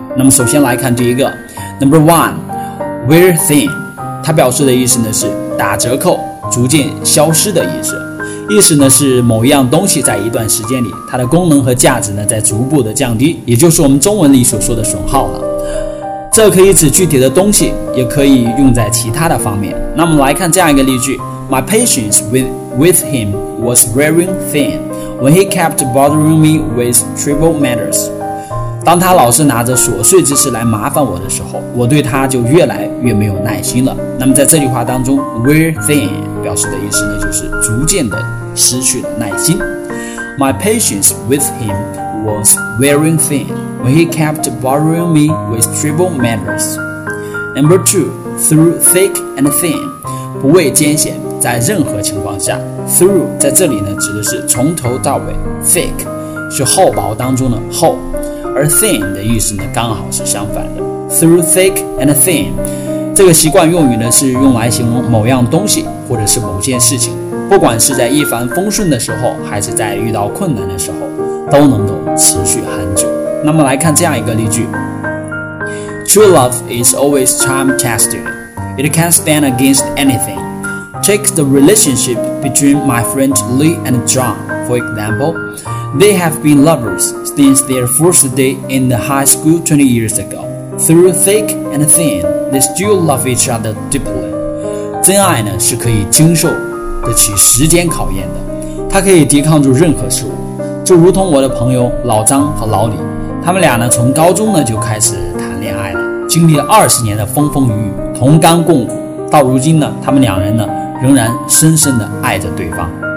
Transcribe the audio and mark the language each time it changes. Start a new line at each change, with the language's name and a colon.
Chinese: 那么首先来看第一个
English: Number one Wear thin，
Chinese: 它表示的意思呢是打折扣，逐渐消失的意思，意思呢是某一样东西在一段时间里它的功能和价值呢在逐步的降低，也就是我们中文里所说的损耗了。这可以指具体的东西，也可以用在其他的方面。那么来看这样一个例句，
English: My patience with him was wearing thin when he kept bothering me with trivial matters。
Chinese: 当他老是拿着琐碎之事来麻烦我的时候，我对他就越来越没有耐心了。那么在这句话当中， wear thin 表示的意思呢就是逐渐的失去了耐心。
English: My patience with him was wearing thin when he kept bothering me with trivial matters。 Number two, through thick and thin，
Chinese: 不畏艰险，在任何情况下。 Through 在这里呢指的是从头到尾， thick 是厚薄当中的厚，而 thin 的意思呢刚好是相反的。 Through thick and thin 这个习惯用语呢是用来形容某样东西或者是某件事情，不管是在一帆风顺的时候还是在遇到困难的时候都能够持续很久。那么来看这样一个例句，
English: True love is always time tested. It can stand against anything. Take the relationship between my friend Lee and John, for example. They have been lovers since their first day in the high school 20 years ago. Through thick and thin, they still love each other deeply.
Chinese: 真爱呢是可以经受得起时间考验的，它可以抵抗住任何事物。就如同我的朋友老张和老李，他们俩呢从高中呢就开始谈恋爱了，经历了20年的风风雨雨，同甘共苦，到如今呢他们两人呢仍然深深地爱着对方。